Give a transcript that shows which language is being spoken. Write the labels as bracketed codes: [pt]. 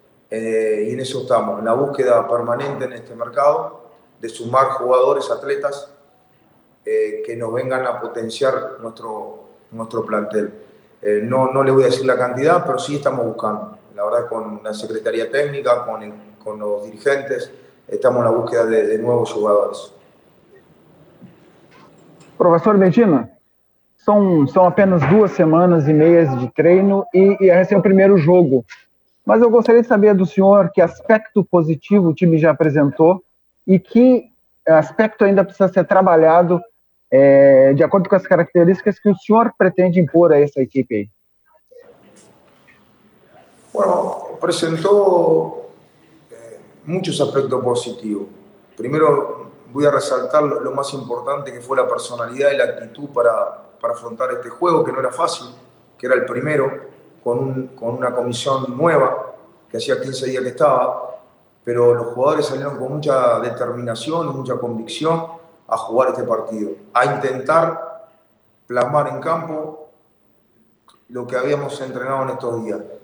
[es] Y en eso estamos, en la búsqueda permanente en este mercado de sumar jugadores, atletas, que nos vengan a potenciar nuestro plantel. No le voy a decir la cantidad, pero sí estamos buscando. La verdad, con la Secretaría Técnica, con los dirigentes, estamos en la búsqueda de nuevos jugadores. [pt] Professor Medina, são apenas duas semanas e meia de treino e esse é o primeiro jogo. Mas eu gostaria de saber do senhor que aspecto positivo o time já apresentou e que aspecto ainda precisa ser trabalhado de acordo com as características que o senhor pretende impor a essa equipe aí. [es] Bueno, presentó muchos aspectos positivos. Primero voy a resaltar lo más importante, que fue la personalidad y la actitud para afrontar este juego, que no era fácil, que era el primero, con una comisión nueva, que hacía 15 días que estaba, pero los jugadores salieron con mucha determinación, mucha convicción a jugar este partido, a intentar plasmar en campo lo que habíamos entrenado en estos días.